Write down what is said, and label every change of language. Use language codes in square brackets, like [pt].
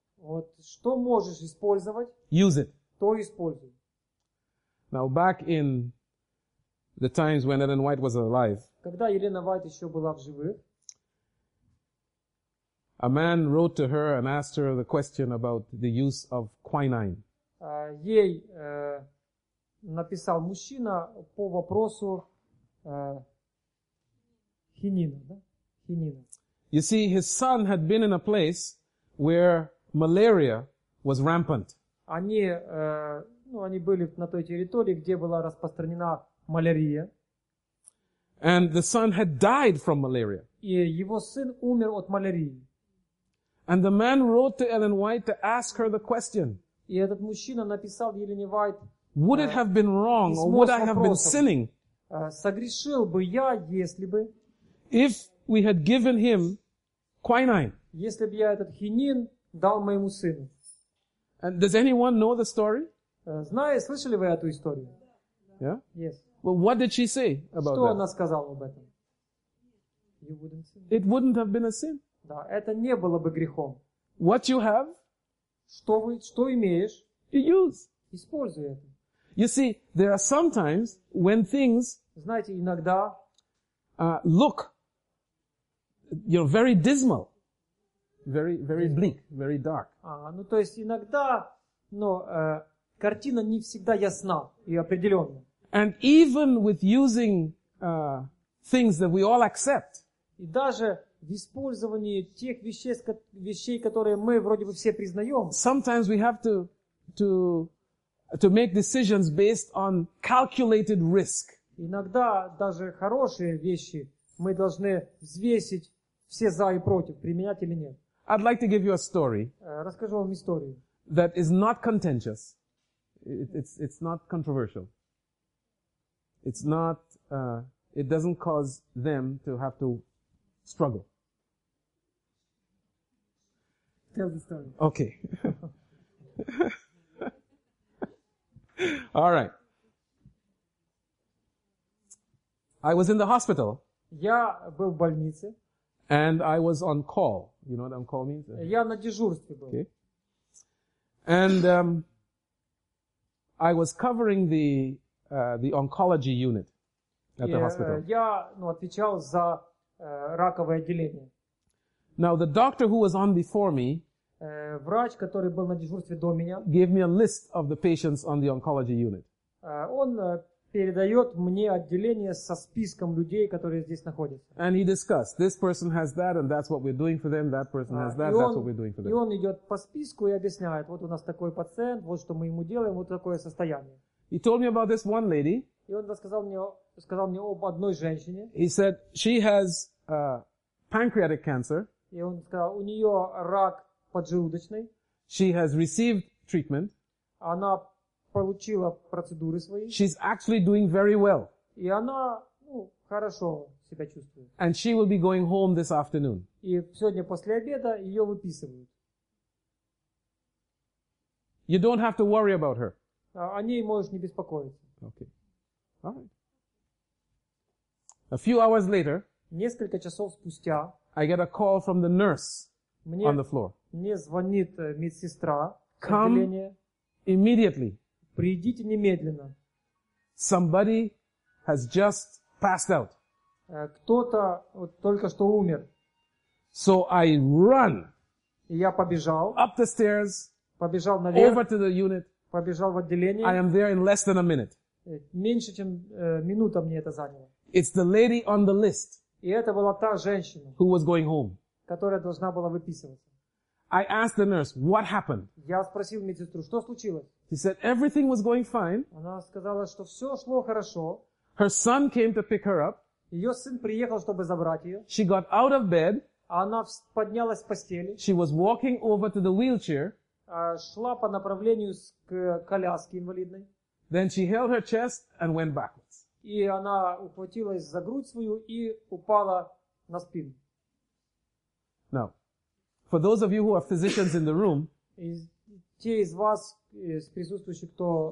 [ru] Вот что можешь использовать? [en] Use it. [ru] То используй. [en] Now back in the times when Ellen White was alive. [ru] Когда Елена Уайт еще была в живых. [en] A man wrote to her and asked her the question about the use of quinine. [ru] Ей написал мужчина по вопросу хинина, да? Хинина. [en] You see, his son had been in a place where malaria was rampant. [ru] Они, ну, они были на той территории, где была распространена малярия. [en] And the son had died from malaria. [ru] И его сын умер от малярии. [en] And the man wrote to Ellen White to ask her the question. [ru] И этот мужчина написал Елене Уайт. [en] Would it have been wrong, or would I have been sinning? [ru] Согрешил бы я, если бы. [en] If we had given him quinine. [ru] Если бы я этот хинин дал моему сыну. [en] And does anyone know the story? [ru] Знаю, слышали вы эту историю? [en] Yeah. Yes. Well, what did she say about [ru] что [en] that? [ru] Что она сказала об этом? [en] You wouldn't sin. It wouldn't have been a sin. [ru] Да, это не было бы грехом. [en] What you have? [ru] Что вы, что имеешь? [en] You use. [ru] Используй это. [en] You see, there are sometimes when things. [ru] Знаете, иногда. [en] Look. You're very dismal. Very, very bleak, very dark. [ru] А, ну то есть иногда, но картина не всегда ясна и определенна. [en] And even with using things that we all accept. [ru] И даже в использовании тех вещей, которые мы вроде бы все признаем. [en] Sometimes we have to make decisions based on calculated risk. [ru] Иногда даже хорошие вещи мы должны взвесить все за и против, применять или нет. [en] I'd like to give you a story. [ru] Расскажу вам историю. [en] That is not contentious. It's not controversial. It's not. It doesn't cause them to have to struggle. Tell the story. Okay. All right. I was in the hospital. [ru] Я был в больнице. [en] And I was on call. You know what on call means? [ru] Я на дежурстве был. [en] Okay. And I was covering the oncology unit at the hospital. [ru] Я, ну, отвечал за раковое отделение. [en] Now the doctor who was on before me, [ru] врач, который был на дежурстве до меня, [en] gave me a list of the patients on the oncology unit. [ru] Он передает мне отделение со списком людей, которые здесь находятся. [en] And he discussed, this person has that, and that's what we're doing for them. That person has that, that's what we're doing for them. [ru] И он идет по списку и объясняет, вот у нас такой пациент, вот что мы ему делаем, вот такое состояние. [en] He told me about this one lady. [ru] И он рассказал мне об одной женщине. [en] He said she has pancreatic cancer. [ru] И он сказал, у нее рак поджелудочной. [en] She has received treatment. [ru] Она получила процедуры свои. [en] She's actually doing very well. [ru] И она, ну, хорошо себя чувствует. [en] And she will be going home this afternoon. [ru] И сегодня после обеда ее выписывают. [en] You don't have to worry about her. [ru] О ней можешь не беспокоиться. [en] Okay. All right. A few hours later. [ru] Несколько часов спустя. [en] I get a call from the nurse on the floor. [ru] Мне звонит медсестра. [en] Come immediately. [ru] Придите немедленно. [en] Somebody has just passed out. [ru] Кто-то вот только что умер. [en] So I run. [ru] И я побежал. [en] Up the stairs. [ru] Побежал наверх. [en] Over to the unit. [ru] Побежал в отделение. [en] I am there in less than a minute. [ru] Меньше чем минута мне это заняло. [en] It's the lady on the list. [ru] И это была та женщина, [en] who was going home. [ru] Которая должна была выписываться. [en] I asked the nurse, what happened? [ru] Я спросил медсестру, что случилось? [en] She said everything was going fine. [ru] Она сказала, что все шло хорошо. [en] Her son came to pick her up. [ru] Ее сын приехал, чтобы забрать ее. [en] She got out of bed. [ru] Она поднялась с постели. [en] She was walking over to the wheelchair. [ru] Шла по направлению к коляске инвалидной. [en] Then she held her chest and went backwards. [ru] И она ухватилась за грудь свою и упала на спину. [en] Now, for those of you who are physicians in the room, [ru] те из вас, из присутствующих, кто,